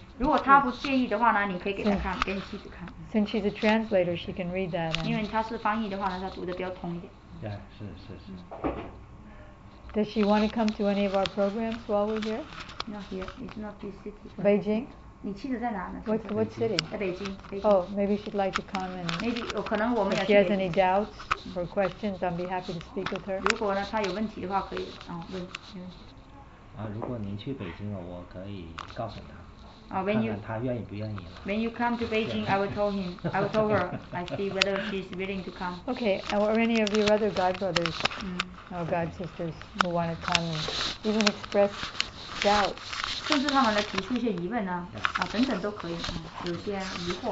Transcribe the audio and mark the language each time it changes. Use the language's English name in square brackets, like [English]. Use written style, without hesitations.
[Chinese] 如果她不介意的话呢，你可以给她看，给你妻子看。 [English] Since she's a translator, she can read that. [Chinese] 因为她是翻译的话呢，她读的比较通一点。Yeah, 是是是。 [English] Does she want to come to any of our programs while we're here? Not here. It's not this city. Beijing. [Chinese] 你妻子在哪呢？ [English] What city? [Chinese] 在北京。 [English] Oh, maybe she'd like to come and. Maybe, if she has any doubts or questions, I'd be happy to speak with her. [Chinese] 如果呢，她有问题的话，可以问。如果您去北京了，我可以告诉她。 [English] When you come to Beijing, I will tell him. I will tell her. I see whether she's willing to come. Okay, or any of your other god brothers or god sisters who want to come and even express doubts. [Chinese] 甚至他们来提出一些疑问呢、啊， yeah. 啊，等等都可以，嗯，有些疑惑。